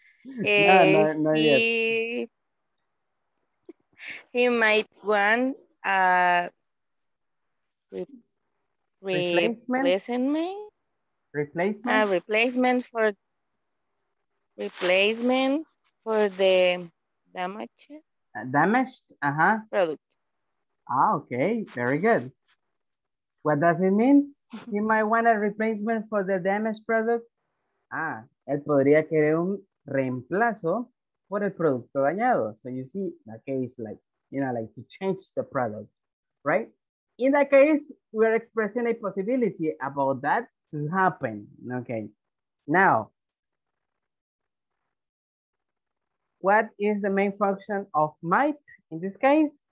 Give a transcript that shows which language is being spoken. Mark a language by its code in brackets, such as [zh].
[en] He might want a replacement for the damaged product. Okay, very good. What does it mean? He might want a replacement for the damaged product. [es] Él podría querer un reemplazo por el producto dañado. [en] So you see, that case, like, you know, like to change the product, right? In that case, we are expressing a possibility about that to happen. Okay. Now, what is the main function of might in this case?